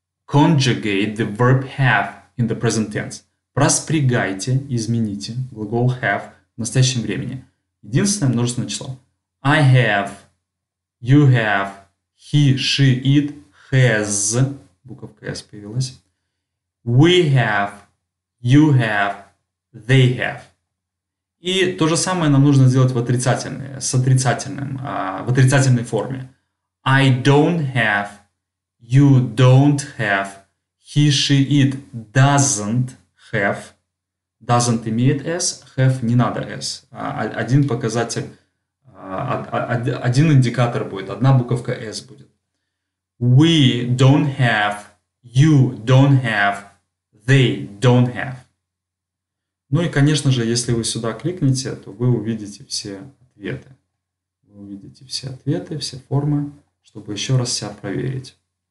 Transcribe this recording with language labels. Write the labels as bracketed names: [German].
[English] Conjugate the verb have in the present tense. [Russian] Проспрягайте, измените глагол have в настоящем времени. Единственное множественное число. [English] I have, you have, he, she, it, has. [Russian] Буковка S появилась. [English] We have, you have, they have. [Russian] И то же самое нам нужно сделать в отрицательной форме. [English] I don't have, you don't have, he, she, it doesn't have. [Russian] Doesn't имеет S, have не надо S. Один показатель, один индикатор будет, одна буковка S будет. [English] We don't have, you don't have, they don't have. [Russian] Ну и, конечно же, если вы сюда кликнете, то вы увидите все ответы. Вы увидите все ответы, все формы, чтобы еще раз себя проверить.